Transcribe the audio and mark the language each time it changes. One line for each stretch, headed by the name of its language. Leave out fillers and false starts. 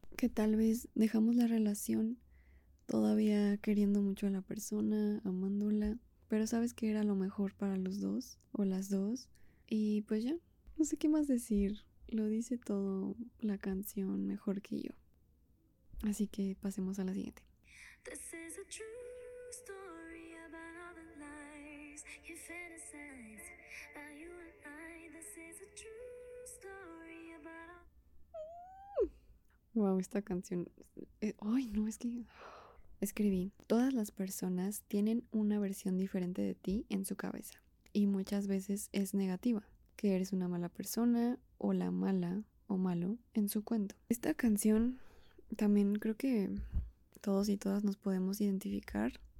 Spanish: Que tal vez dejamos la relación todavía queriendo mucho a la persona, amándola, pero sabes que era lo mejor para los dos o las dos. Y pues ya, no sé qué más decir. Lo dice todo la canción mejor que yo. Así que pasemos a la siguiente.
English: This is a true story about all the lies you fantasize about you and I. This is a true story about all.
Spanish: Wow, esta canción. Ay, no, es que escribí. Todas las personas tienen una versión diferente de ti en su cabeza y muchas veces es negativa, que eres una mala persona o la mala o malo en su cuento. Esta canción también creo que todos y todas nos podemos identificar.